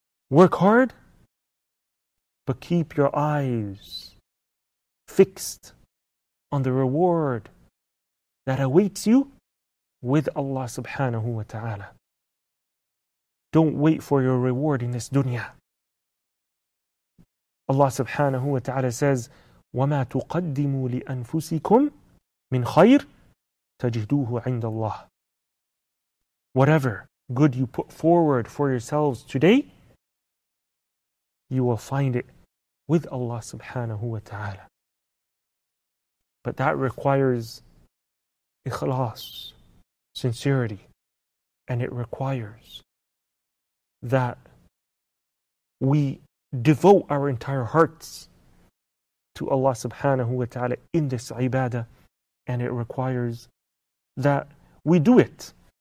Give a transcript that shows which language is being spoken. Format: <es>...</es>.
<en>Work hard, but keep your eyes fixed on the reward that awaits you with Allah subhanahu wa ta'ala. Don't wait for your reward in this dunya. Allah subhanahu wa ta'ala says,</en> <ar>وَمَا تُقَدِّمُوا لِأَنفُسِكُمْ مِنْ خَيْرٍ تَجِدُوهُ عِنْدَ اللَّهِ.</ar> <en>Whatever good you put forward for yourselves today, you will find it with Allah subhanahu wa ta'ala. But that requires ikhlas, sincerity, and it requires that we devote our entire hearts to Allah subhanahu wa ta'ala in this ibadah, and it requires that we do it</en>